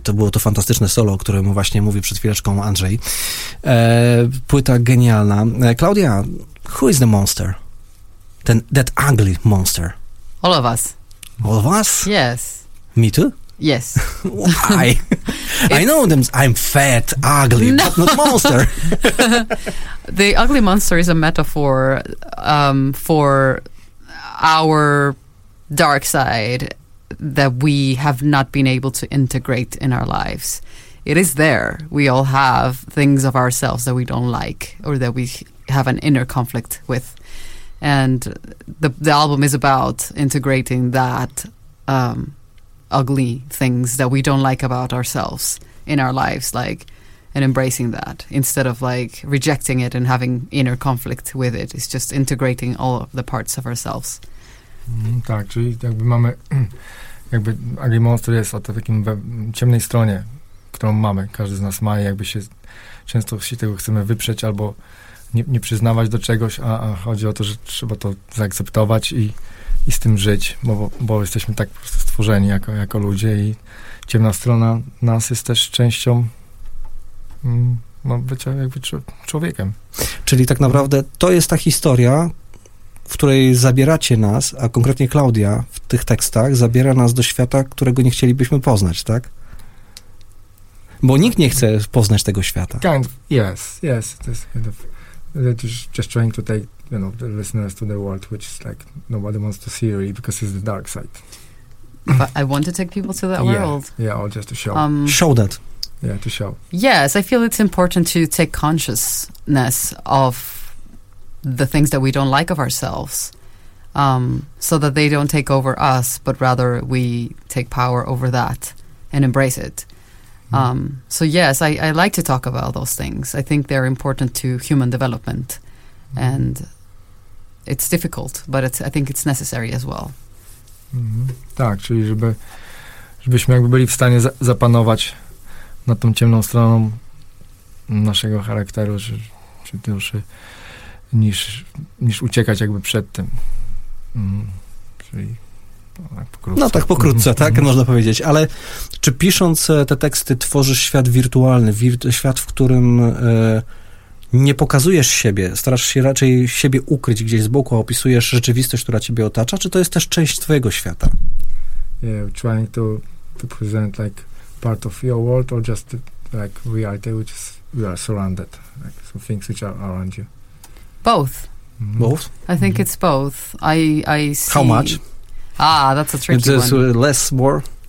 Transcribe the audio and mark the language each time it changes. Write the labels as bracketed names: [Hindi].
[Polish] To było to fantastyczne solo, o którym właśnie mówił przed chwileczką Andrzej. Płyta genialna. [English] Claudia, who is the monster? Ten, that ugly monster. All of us. All of us? Yes. Me too? Yes. Why? I know them. I'm fat, ugly, no. But not monster. The ugly monster is a metaphor for our dark side that we have not been able to integrate in our lives. It is there. We all have things of ourselves that we don't like or that we have an inner conflict with. And the album is about integrating that ugly things that we don't like about ourselves in our lives, like, and embracing that instead of like rejecting it and having inner conflict with it. It's just integrating all of the parts of ourselves. [Polish] Tak, czyli jakby mamy, jakby ugly monster jest o takim ciemnej stronie, którą mamy, każdy z nas ma, i jakby się często się tego chcemy wyprzeć albo nie przyznawać do czegoś, a chodzi o to, że trzeba to zaakceptować i z tym żyć, bo jesteśmy tak po prostu stworzeni jako ludzie i ciemna strona nas jest też częścią bycia jakby człowiekiem. Czyli tak naprawdę to jest ta historia, w której zabieracie nas, a konkretnie Claudia w tych tekstach zabiera nas do świata, którego nie chcielibyśmy poznać, tak? Bo nikt nie chce poznać tego świata. [English] Kind of, yes, yes. [Polish] To jest [English] kind of, just trying to take, you know, the listeners to the world, which is like nobody wants to see, really, because it's the dark side. But I want to take people to that world. Yeah, or just to show. Show that. Yeah, to show. Yes, I feel it's important to take consciousness of the things that we don't like of ourselves, so that they don't take over us, but rather we take power over that and embrace it. So yes, I like to talk about those things. I think they're important to human development, and it's difficult, but I think it's necessary as well. Mm-hmm. [Polish] Tak, czyli żebyśmy jakby byli w stanie zapanować nad tą ciemną stroną naszego charakteru, czy duszy, niż uciekać jakby przed tym. Czyli pokrótce. No tak pokrótce, tak można powiedzieć. Ale czy pisząc te teksty tworzysz świat wirtualny, świat, w którym nie pokazujesz siebie, starasz się raczej siebie ukryć gdzieś z boku, a opisujesz rzeczywistość, która ciebie otacza, czy to jest też część twojego świata? [English] Yeah, trying to present like part of your world or just like reality, which is we are surrounded, like some things which are around you. Both. Both? I think it's both. I see. How much? Ah, that's a tricky one. Less, more?